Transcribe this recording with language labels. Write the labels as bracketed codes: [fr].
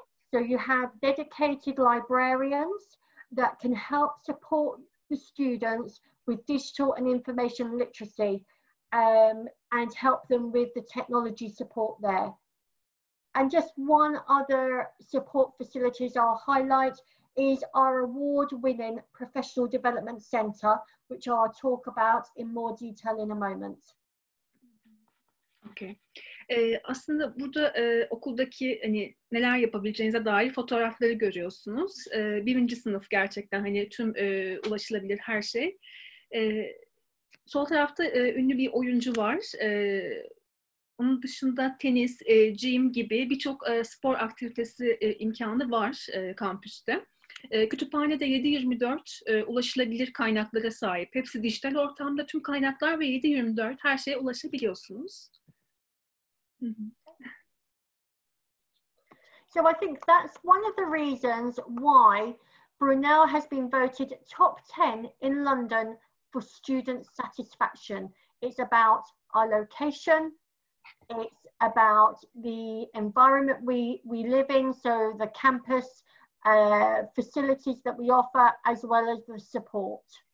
[en] So you have dedicated librarians that can help support the students with digital and information literacy and help them with the technology support there. And just one other support facilities I'll highlight is our award-winning Professional Development Center, which I'll talk about in more detail in a moment. Okay. [tr] Aslında burada okuldaki hani neler yapabileceğinize dair fotoğrafları görüyorsunuz. Birinci sınıf gerçekten hani tüm ulaşılabilir her şey. Sol tarafta ünlü bir oyuncu var. Onun dışında tenis, gym gibi birçok spor aktivitesi imkanı var kampüste. Kütüphanede 7/24 ulaşılabilir kaynaklara sahip. Hepsi dijital ortamda, tüm kaynaklar ve 7/24 her şeye ulaşabiliyorsunuz. [en] So I think that's one of the reasons why Brunel has been voted top 10 in London for student satisfaction. It's about our location. It's about the environment we live in, so the campus facilities that we offer, as well as the support.